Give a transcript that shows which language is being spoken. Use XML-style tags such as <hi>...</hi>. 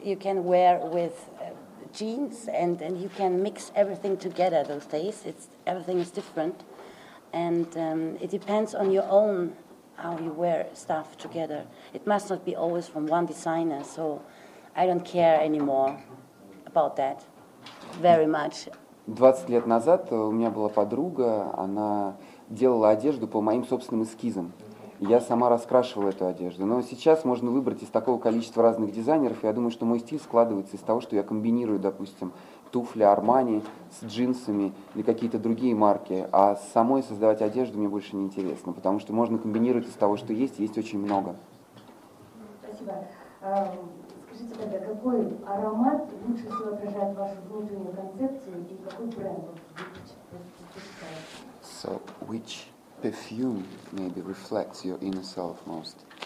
<en>You can wear with jeans, and you can mix everything together those days. Everything is different. And it depends on your own, how you wear stuff together. It must not be always from one designer, so I don't care anymore about that very much.</en> <ru>20 лет назад у меня была подруга, она делала одежду по моим собственным эскизам. Я сама раскрашивала эту одежду. Но сейчас можно выбрать из такого количества разных дизайнеров. Я думаю, что мой стиль складывается из того, что я комбинирую, допустим, туфли Армани с джинсами или какие-то другие марки. А самой создавать одежду мне больше не интересно, потому что можно комбинировать из того, что есть. Есть очень много. Спасибо. Скажите тогда, какой аромат лучше всего отражает вашу внутреннюю концепцию и какой бренд вы предпочитаете?</ru> <en>So, which perfume maybe reflects your inner self most?</en>